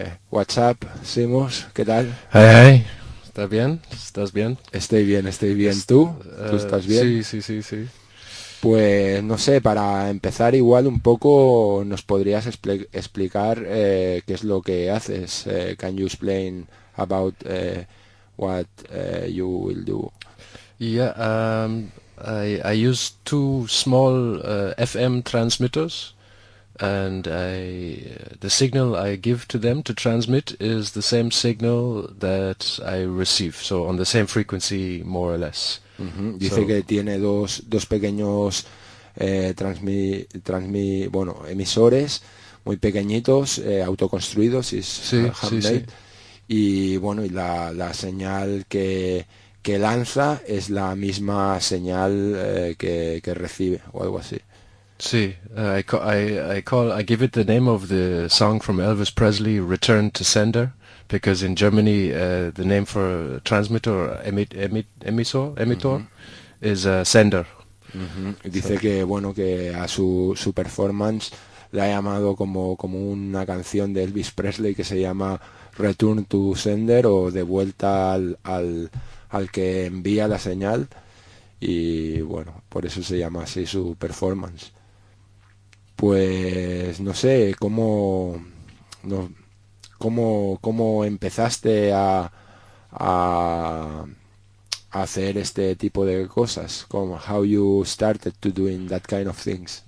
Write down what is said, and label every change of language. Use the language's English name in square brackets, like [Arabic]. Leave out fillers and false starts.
[Spanish] WhatsApp, Simos, ¿qué tal? [English] Hey, hey. [Spanish] ¿Estás bien? ¿Estás bien? Estoy bien, estoy bien. ¿Tú? ¿Tú estás bien? Sí. Pues no sé, para empezar igual un poco nos podrías explicar qué es lo que haces. [English] Can you explain about what you will do? Yeah, I use two small FM transmitters, and the signal I give to them to transmit is the same signal that I receive, so on the same frequency more or less. Mm-hmm. [Spanish] Dice so, que tiene dos pequeños emisores muy pequeñitos, autoconstruidos, sí. Y bueno, y la señal que lanza es la misma señal que recibe o algo así. [English] Sí, I give it the name of the song from Elvis Presley, Return to Sender, because in Germany the name for transmitter or emitor mm-hmm. is sender. Mm-hmm. [Spanish] Dice so. Que bueno que a su performance le ha llamado como una canción de Elvis Presley que se llama Return to Sender o de vuelta al que envía la señal, y bueno, por eso se llama así su performance. Pues no sé cómo empezaste a hacer este tipo de cosas. [English] Como how you started to doing that kind of things.